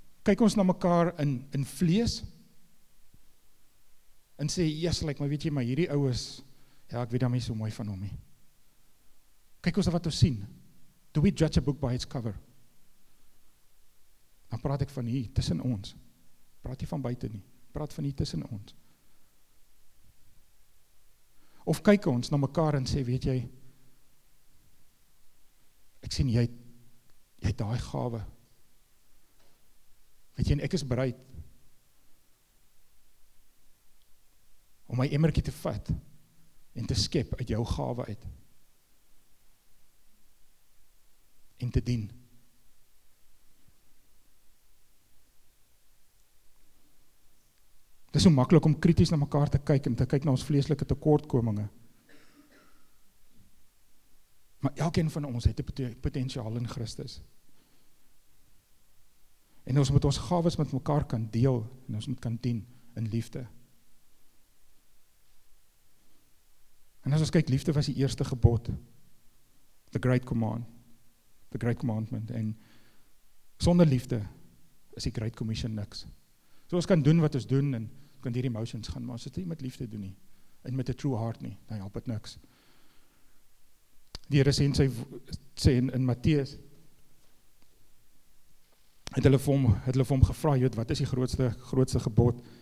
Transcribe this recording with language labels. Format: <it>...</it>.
<af>Kyk ons na mekaar in vlees, en sê, yes, like, maar weet jy, maar hierdie ou is, ja, ek weet dan nie so mooi van hom nie. Kyk ons wat ons sien.</af> <en>Do we judge a book by its cover?</en> <af>Dan praat ek van hier, tussen ons. Praat nie van buite nie. Praat van hier, tussen ons. Of kyk ons na mekaar en sê, weet jy, ek sien jy het daai gawe. Weet jy, en ek is bereid om my emmertjie te vat en te skep uit jou gawe uit en te dien. Dit is so makkelijk om kritisch naar mekaar te kyk en te kyk naar ons vleeslike tekortkominge. Maar elkeen van ons het potentiaal in Christus. En ons moet ons gawes met mekaar kan deel en ons moet kan dien in liefde. En as ons kyk, liefde was die eerste gebod.</af> <en>The great command. The great commandment.</en> <af>En sonder liefde is die great commission niks. So ons kan doen wat ons doen en kan die emotions gaan, maar as dit nie met liefde doen nie en met</af> <en>a true heart</en> <af>nie, dan help het niks. Die Here sê in Matteus het hulle vir hom gevra, jy weet, wat is die grootste gebod?</af>